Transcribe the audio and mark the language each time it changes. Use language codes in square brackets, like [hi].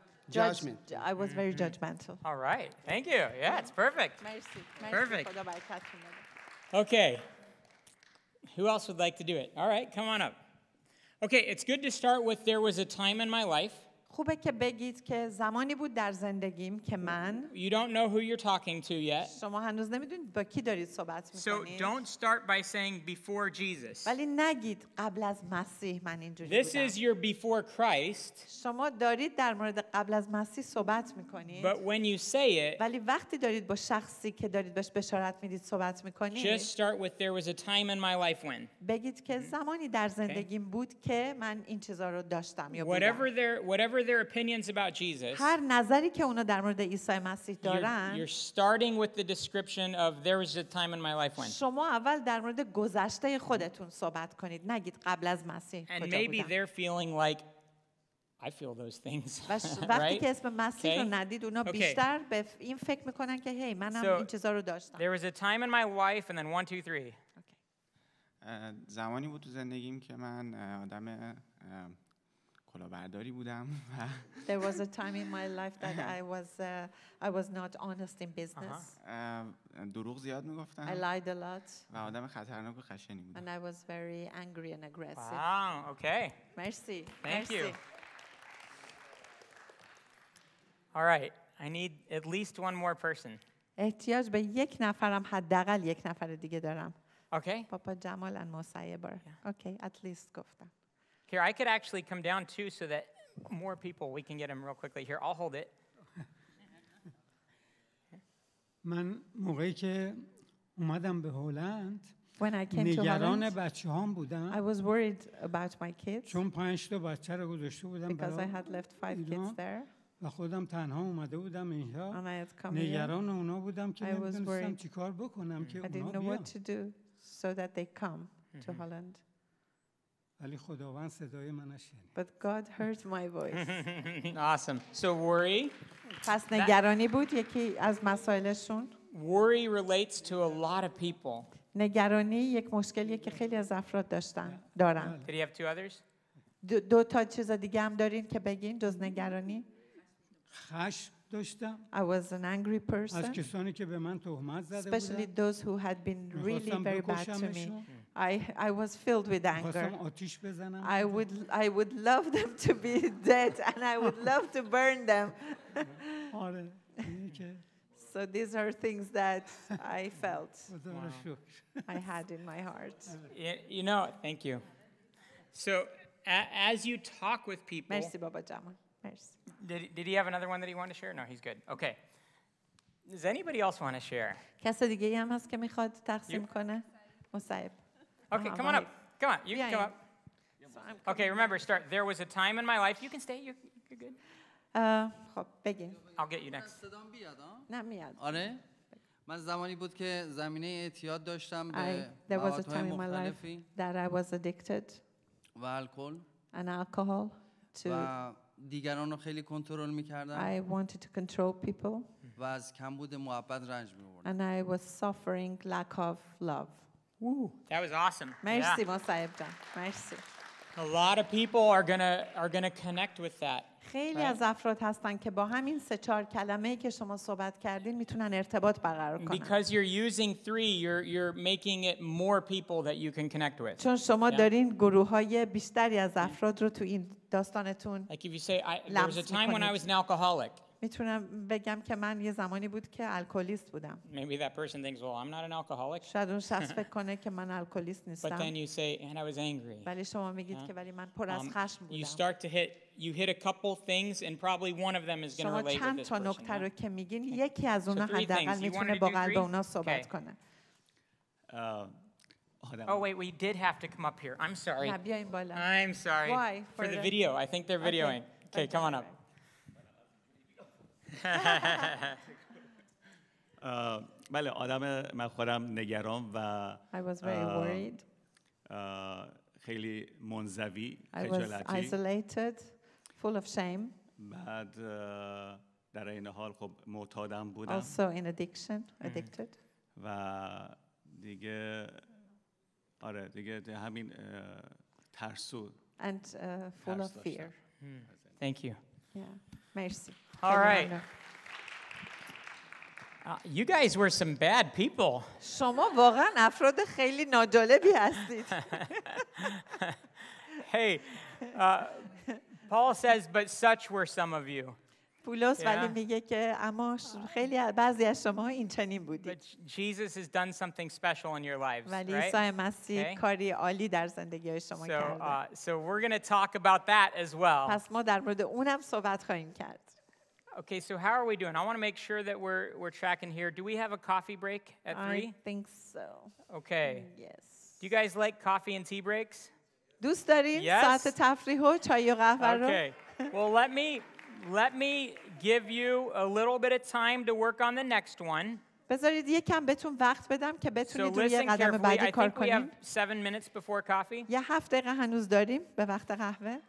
[en] judgment I was very judgmental All right thank you yeah it's perfect Merci for the by catching Okay who else would like to do it All right come on up Okay, it's good to start with there was a time in my life. [fa] خوبه که بگید که زمانی بود در زندگیم که من [en] You don't know who you're talking to yet. [fa] شما هنوز نمیدونید با کی دارید صحبت میکنید. [en] So don't start by saying before Jesus. [fa] ولی نگید قبل از مسیح من اینجوری بودم. [en] This is your before Christ. [fa] شما دارید در مورد قبل از مسیح صحبت میکنید. [en] But when you say it [fa] ولی وقتی دارید با شخصی که دارید بهش بشارت میدید صحبت میکنید [en] Just start with there was a time in my life when. [fa] بگید که زمانی در زندگیم بود که من این چیزا رو داشتم یا بودم. [en] Whatever their opinions about Jesus. [fa] هر نظری که اونا در مورد عیسی مسیح دارن. [en] You're starting with the description of there was a time in my life when. [fa] شما اول در مورد گذشته خودتون صحبت کنید. نگید قبل از مسیح کجا بودم. [en] And maybe they're feeling like I feel those things. [fa] وقتی که اسم مسیح رو ندید اونا بیشتر به این فکر میکنن که هی منم این چیزا رو داشتم. [en] There was a time in my life and then 1 2 3. [fa] زمانی بود تو زندگیم که من آدم کلاهبرداری بودم. [en] There was a time in my life that I was not honest in business. [fa] دروغ زیاد میگفتم. [en] I lied a lot. [fa] و آدم خطرناک و خشنی بودم. [en] And I was very angry and aggressive. Wow, okay. [fa] مرسی. [en] Thank you. All right, I need at least one more person. [fa] احتیاج به یک نفرم حداقل یک نفر دیگه دارم. [en] Okay. [fa] پاپا جمال و مصیبر. [en] Okay, at least [fa] گفتم. [en] Here, I could actually come down too so that more people, we can get them real quickly. Here, I'll hold it. [fa] من موقعی که اومدم به هلند [en] When I came [fa] نگران [en] to Holland, [fa] بچه‌هام بودم. [en] I was worried about my kids. [fa] چون 5 تا بچه رو گذاشته بودم برای [en] Because I had left 5 kids there. [fa] و خودم تنها اومده بودم اینجا نگران اونا بودم که نمیدونستم چیکار بکنم که اونا بیان. [en] I didn't know what to do so that they come to Holland. [fa] ولی خداوند صدای منو شنید. [en] But God heard my voice. Awesome. So worry. [fa] پس نگرانی بود یکی از مسائلشون. [en] Worry relates to a lot of people. [fa] نگرانی یک مشکلیه که خیلی از افراد داشتن دارن. [en] Did you have two others? [fa] دو تا چیز دیگه هم دارین که بگین جز نگرانی؟ خشم داشتم. [en] I was an angry person. [fa] از کسانی که به من تهمت زده بودن. [en] Especially those who had been really very bad to me. I was filled with anger. [fa] می‌خواستم آتش بزنم. [en] I would love them to be dead and I would love to burn them. [fa] آره. [en] So these are things that I felt. Wow. I had in my heart. You know, thank you. So as you talk with people. [fa] مرسی بابا جمال. مرسی. [en] Did he have another one that he wanted to share? No, he's good. Okay. Does anybody else want to share? [fa] کس دیگه ای هم هست که میخواد تقسیم کنه؟ مصعب. [en] Okay, come on up. Come on. You can come up. Okay, remember, start. There was a time in my life. You can stay. You're good. [fa] خب بگین. [en] I'll get you next. [fa] صدام بیاد ها؟ نه میاد. آره. من زمانی بود که زمینه اعتیاد داشتم به [en] There was a time in my life that I was addicted. [fa] و الکل. [en] And alcohol to [fa] دیگران رو خیلی کنترل می‌کردم. [en] I wanted to control people. [fa] و از کمبود محبت رنج می‌بردم. [en] And I was suffering lack of love. Woo. That was awesome. [fa] مرسی مصعب جان. مرسی. [en] A lot of people are going to connect with that. [fa] خیلی از افراد هستن که با همین سه چهار کلمه‌ای که شما صحبت کردین میتونن ارتباط برقرار کنن. [en] Because you're using three, you're making it more people that you can connect with. [fa] چون شما دارین گروه‌های بیشتری از افراد رو تو این داستانتون [en] Like if you say there was a time when I was an alcoholic. [fa] میتونم بگم که من یه زمانی بود که الکلیست بودم. [en] Maybe that person thinks, "Well, I'm not an alcoholic." [fa] شاید اون شخص فکر کنه که من الکلیست نیستم. [en] But then you say, "And I was angry." [fa] ولی شما میگید که ولی من پر از خشم بودم. [en] You start to hit a couple things and probably one of them is going to relate to this person. [fa] شما چند تا نکته رو که میگین یکی از اونها حداقل میتونه با قلب اونها صحبت کنه. [en] Oh wait, we did have to come up here. I'm sorry. [fa] نه بیاین بالا. [en] I'm sorry. Why? For the video. I think they're videoing. Okay, come on up. [fa] بله آدم من خودم نگران و [en] I was very worried. [fa] خیلی منزوی خجالتی [en] I was isolated full of shame. [fa] بعد در این حال خب معتادم بودم [en] Also in addiction addicted. [fa] و دیگه آره دیگه همین ترسو [en] And full of fear. Thank you. Yeah. [fa] مرسی. [en] All right. You guys were some bad people. [fa] شما واقعا افراد خیلی ناجالبی هستید. [en] Hey, Paul says, but such were some of you. [fa] پولس ولی میگه که اما خیلی بعضی از شما اینچنین بودید. [en] But Jesus has done something special in your lives, [fa] ولی عیسی مسیح کاری عالی در زندگی شما کرده. [en] So we're going to talk about that as well. [fa] پس ما در مورد اونم صحبت خواهیم کرد. [en] Okay, so how are we doing? I want to make sure that we're tracking here. Do we have a coffee break at 3? I think so. Okay. Yes. Do you guys like coffee and tea breaks? [fa] دوست دارین ساعت تفریح و چای و قهوه رو؟ [en] Okay. Well, let me give you a little bit of time to work on the next one. [fa] بذارید یک کم بهتون وقت بدم که بتونید یه قدم بعدی کار کنیم. [en] 7 minutes before coffee. [fa] یه هفت دقیقه هنوز داریم به وقت قهوه.